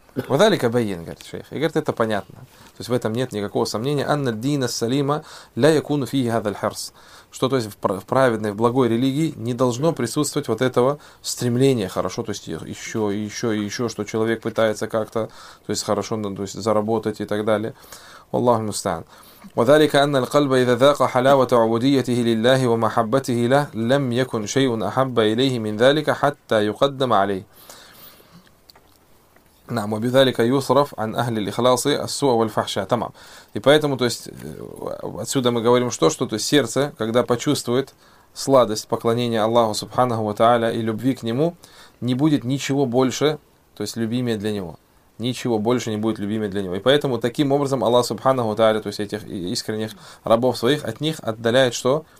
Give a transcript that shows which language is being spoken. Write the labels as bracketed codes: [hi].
[ar] Вадалика байин, [ru] говорит шейх. И говорит, это понятно. То есть в этом нет никакого сомнения. [ar] Анна дина салима ля якуну фиги хазаль харс. [ru] Что, то есть, в праведной, в благой религии не должно присутствовать вот этого стремления, хорошо, то есть, еще и еще, еще, что человек пытается как-то, то есть, хорошо, то есть, заработать и так далее. [ar] Валлаху мустаан. وذلك أن القلب إذا ذاق حلاوة عبوديته لله ومحبته له لم يكن شيء أحب إليه من ذلك حتى يقدم عليه. نعم وبذلك يصرف عن أهل الإخلاص السوء والفحشاء. تمام. [ru] И поэтому, то есть, отсюда мы говорим, что сердце, когда почувствует сладость поклонения Аллаху Субханаху ва Тааля и любви к Нему, не будет ничего больше, то есть, любимее для Него. Ничего больше не будет любимее для него. И поэтому таким образом Аллах Субханаху Тааля, то есть этих искренних рабов своих, от них отдаляет что?